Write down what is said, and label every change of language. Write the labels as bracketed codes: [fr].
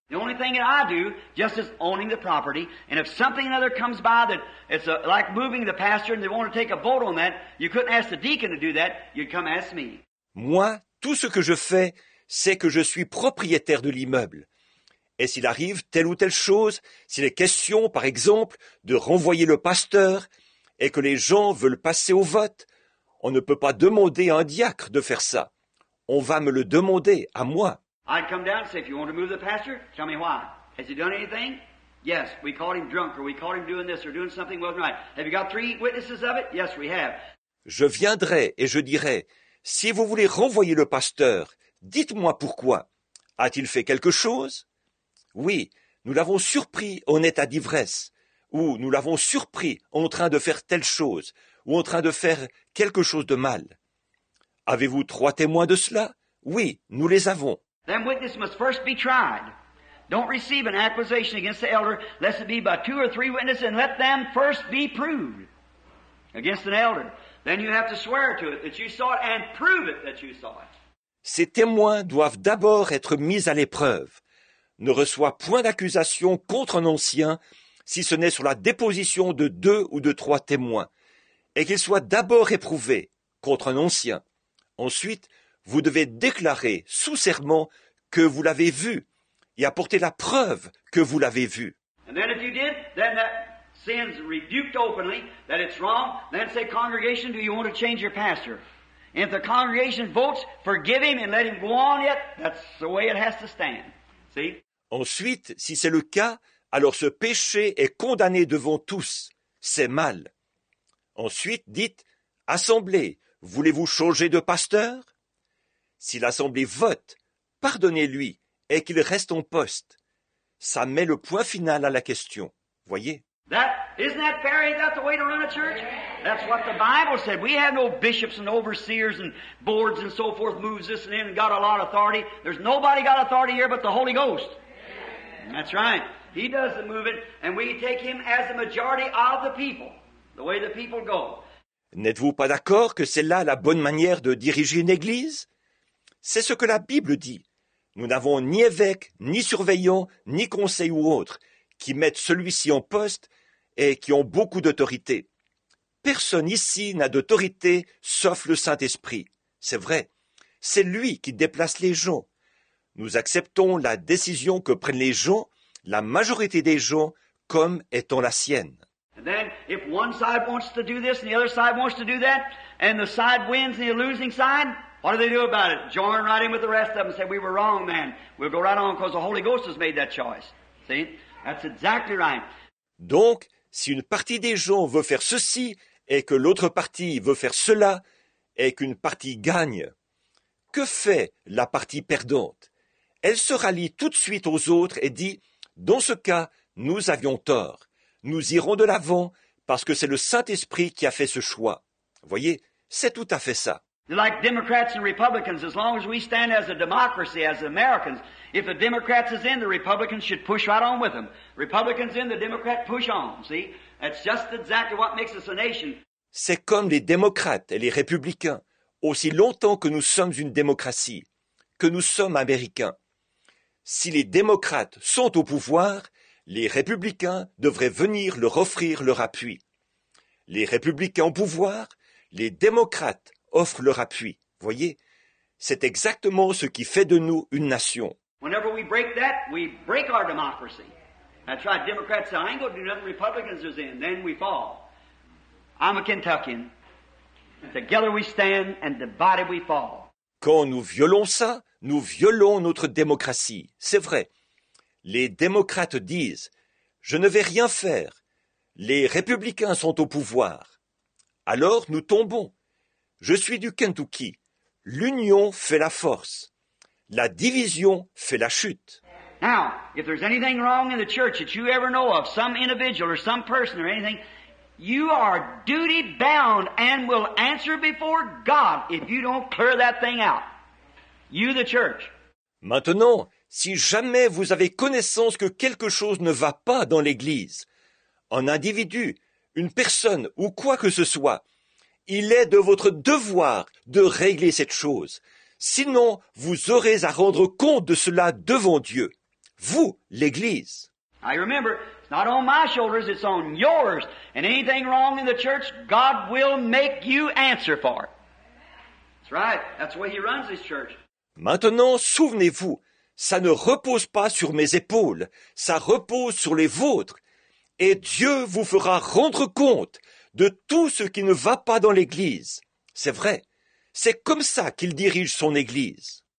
[en] The only thing that I do, just is owning the property, and if something another comes by that it's a, like moving the pastor and they want to take a vote on that, you couldn't ask the deacon to do that, you'd come ask me. [fr] Moi, tout ce que je fais, c'est que je suis propriétaire de l'immeuble. Et s'il arrive telle ou telle chose, s'il est question, par exemple, de renvoyer le pasteur et que les gens veulent passer au vote, on ne peut pas demander à un diacre de faire ça. On va me le demander à moi. [en] I'd come down and say, if you want to move the pastor, tell me why. Has he done anything? Yes, we caught him drunk, or we caught him doing this, or doing something wasn't right. Have you got three witnesses of it? Yes, we have. [fr] Je viendrai et je dirai, si vous voulez renvoyer le pasteur, dites-moi pourquoi. A-t-il fait quelque chose? Oui, nous l'avons surpris en état d'ivresse, ou nous l'avons surpris en train de faire telle chose, ou en train de faire quelque chose de mal. Avez-vous trois témoins de cela? Oui, nous les avons. [en] Them witnesses must first be tried. Don't receive an accusation against the elder, lest it be by two or three witnesses, and let them first be proved against an elder. Then you have to swear to it that you saw it and prove it that you saw it. [fr] Ces témoins doivent d'abord être mis à l'épreuve. Ne reçois point d'accusation contre un ancien, si ce n'est sur la déposition de deux ou de trois témoins, et qu'il soit d'abord éprouvé contre un ancien. Ensuite, vous devez déclarer sous serment que vous l'avez vu et apporter la preuve que vous l'avez vu. [en] And then if you did, then that sin's rebuked openly, that it's wrong, then say, congregation, do you want to change your pastor? And if the congregation votes, forgive him and let him go on yet, that's the way it has to stand. See? [fr] Ensuite, si c'est le cas, alors ce péché est condamné devant tous. C'est mal. Ensuite, dites, assemblée, voulez-vous changer de pasteur? Si l'Assemblée vote, pardonnez-lui et qu'il reste en poste. Ça met le point final à la question. Voyez? [en] That isn't that fair? Ain't that the way to run a church? Amen. That's what the Bible said. We have no bishops and overseers and boards and so forth, moves this and in and got a lot of authority. There's nobody got authority here but the Holy Ghost. Amen. That's right. He does the moving, and we take him as the majority of the people, the way the people go. [fr] N'êtes-vous pas d'accord que c'est là la bonne manière de diriger une église? C'est ce que la Bible dit. Nous n'avons ni évêque, ni surveillant, ni conseil ou autre qui mettent celui-ci en poste et qui ont beaucoup d'autorité. Personne ici n'a d'autorité sauf le Saint-Esprit. C'est vrai. C'est lui qui déplace les gens. Nous acceptons la décision que prennent les gens, la majorité des gens, comme étant la sienne. [en] And then, if one side wants to do this and the other side wants to do that, and the side wins and the losing side, what do they do about it? Join right in with the rest of them and say, we were wrong, man. We'll go right on because the Holy Ghost has made that choice. See? That's exactly right. [fr] Donc, si une partie des gens veut faire ceci et que l'autre partie veut faire cela et qu'une partie gagne, que fait la partie perdante? Elle se rallie tout de suite aux autres et dit, dans ce cas, nous avions tort. Nous irons de l'avant parce que c'est le Saint-Esprit qui a fait ce choix. Voyez, c'est tout à fait ça. [en] Like Democrats and Republicans, as long as we stand as a democracy, as Americans, if the Democrats is in, the Republicans should push right on with them. Republicans in, the Democrats push on. See, that's just exactly what makes us a nation. [fr] C'est comme les démocrates et les républicains. Aussi longtemps que nous sommes une démocratie, que nous sommes américains, si les démocrates sont au pouvoir, les républicains devraient venir leur offrir leur appui. Les républicains au pouvoir, les démocrates offrent leur appui. Voyez, c'est exactement ce qui fait de nous une nation. [en] Whenever we break that, we break our democracy. That's right, Democrats say, I ain't gonna do nothing, Republicans are in, then we fall. I'm a Kentuckian. Together we stand and divided we fall. [fr] Quand nous violons ça, nous violons notre démocratie. C'est vrai. Les démocrates disent « Je ne vais rien faire. Les républicains sont au pouvoir. » Alors nous tombons. Je suis du Kentucky. L'union fait la force. La division fait la chute. [en] Now, if there's anything wrong in the church that you ever know of, some individual or some person or anything, you are duty bound and will answer before God if you don't clear that thing out. You, the church. [fr] Maintenant, si jamais vous avez connaissance que quelque chose ne va pas dans l'Église, un individu, une personne ou quoi que ce soit, il est de votre devoir de régler cette chose. Sinon, vous aurez à rendre compte de cela devant Dieu. Vous, l'Église. [en] I remember, it's not on my shoulders, it's on yours. And anything wrong in the church, God will make you answer for it. That's right. That's the way he runs this church. [fr] Maintenant, souvenez-vous, ça ne repose pas sur mes épaules, ça repose sur les vôtres. Et Dieu vous fera rendre compte de tout ce qui ne va pas dans l'Église. C'est vrai, c'est comme ça qu'il dirige son Église.